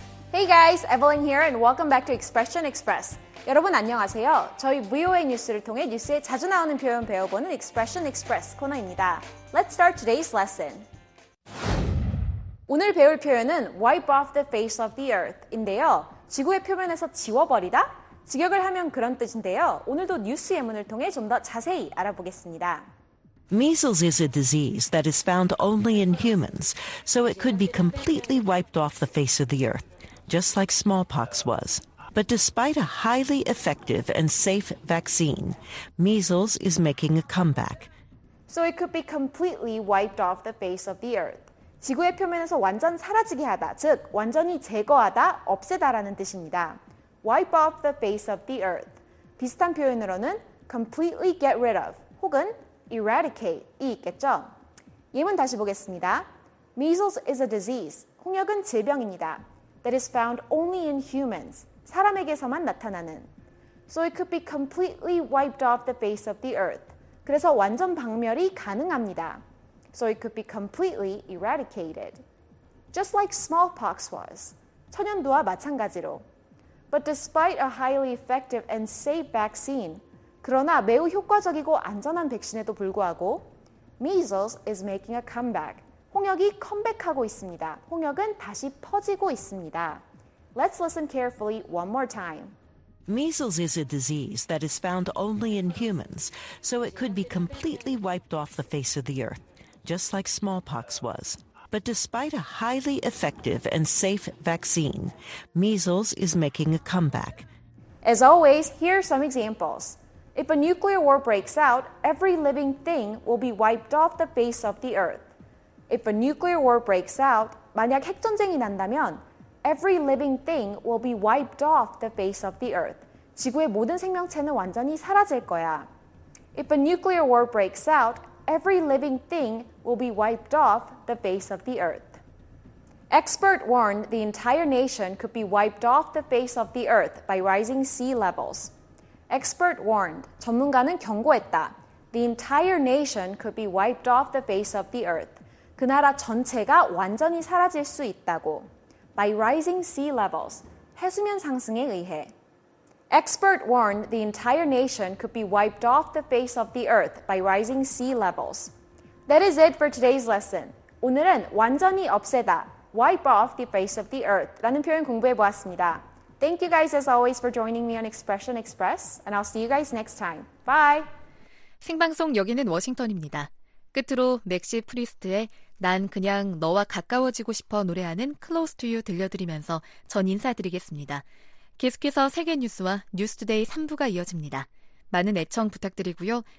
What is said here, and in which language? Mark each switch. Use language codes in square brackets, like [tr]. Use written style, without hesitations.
[en] Hey guys, Evelyn here and welcome back to Expression Express. [ko] 여러분 안녕하세요. 저희 VOA 뉴스를 통해 뉴스에 자주 나오는 표현 배워보는 Expression Express 코너입니다. [en] Let's start today's lesson. [ko] 오늘 배울 표현은 [en] wipe off the face of the earth [ko] 인데요. 지구의 표면에서 지워버리다? 직역을 하면 그런 뜻인데요. 오늘도 뉴스 예문을 통해 좀 더 자세히 알아보겠습니다. [en] Measles is a disease that is found only in humans, so it could be completely wiped off the face of the earth. Just like smallpox was. But despite a highly effective and safe vaccine, measles is making a comeback. So it could be completely wiped off the face of the earth. [ko] 지구의 표면에서 완전 사라지게 하다, 즉 완전히 제거하다, 없애다라는 뜻입니다. [en] Wipe off the face of the earth. [ko] 비슷한 표현으로는 [en] completely get rid of [ko] 혹은 eradicate이 있겠죠. 예문 다시 보겠습니다. [en] Measles is a disease. [ko] 홍역은 질병입니다. [en] That is found only in humans, [ko] 사람에게서만 나타나는. [en] So it could be completely wiped off the face of the earth. [ko] 그래서 완전 박멸이 가능합니다. [en] So it could be completely eradicated. Just like smallpox was, [ko] 천연두와 마찬가지로. [en] But despite a highly effective and safe vaccine, [ko] 그러나 매우 효과적이고 안전한 백신에도 불구하고, [en] measles is making a comeback. [ko] 홍역이 컴백하고 있습니다. 홍역은 다시 퍼지고 있습니다. [en] Let's listen carefully one more time. Measles is a disease that is found only in humans, so it could be completely wiped off the face of the earth, just like smallpox was. But despite a highly effective and safe vaccine, measles is making a comeback. As always, here are some examples. If a nuclear war breaks out, every living thing will be wiped off the face of the earth. If a nuclear war breaks out, [ko] 만약 핵전쟁이 난다면, [en] every living thing will be wiped off the face of the earth. [ko] 지구의 모든 생명체는 완전히 사라질 거야. [en] If a nuclear war breaks out, every living thing will be wiped off the face of the earth. Expert warned the entire nation could be wiped off the face of the earth by rising sea levels. Expert warned, [ko] 전문가는 경고했다. [en] The entire nation could be wiped off the face of the earth. [ko] 그 나라 전체가 완전히 사라질 수 있다고. [en] By rising sea levels, [ko] 해수면 상승에 의해. [en] Expert warned the entire nation could be wiped off the face of the earth by rising sea levels. That is it for today's lesson. [ko] 오늘은 완전히 없애다, [en] wipe off the face of the earth [ko] 라는 표현 공부해 보았습니다. [en] Thank you guys as always for joining me on Expression Express and I'll see you guys next time. Bye! [ko] 생방송 여기는 워싱턴입니다. 끝으로 맥시 프리스트의 난 그냥 너와 가까워지고 싶어 노래하는 Close to You 들려드리면서 전 인사드리겠습니다. 계속해서 세계 뉴스와 뉴스투데이 3부가 이어집니다. 많은 애청 부탁드리고요.